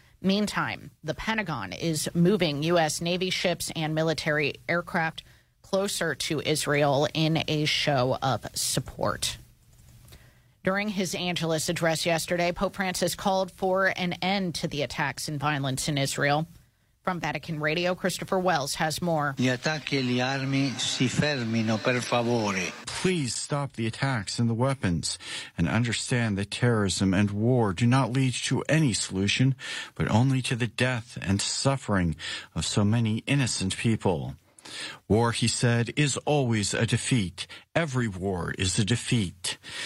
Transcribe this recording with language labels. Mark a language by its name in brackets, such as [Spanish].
[English] Meantime, the Pentagon is moving U.S. Navy ships and military aircraft closer to Israel in a show of support. During his Angelus address yesterday, Pope Francis called for an end to the attacks and violence in Israel. From Vatican Radio, Christopher Wells has more. [Italian] Gli attacchi e le armi si fermino, per favore. [English] Please stop the attacks and the weapons and understand that terrorism and war do not lead to any solution, but only to the death and suffering of so many innocent people. War, he said, is always a defeat. Every war is a defeat.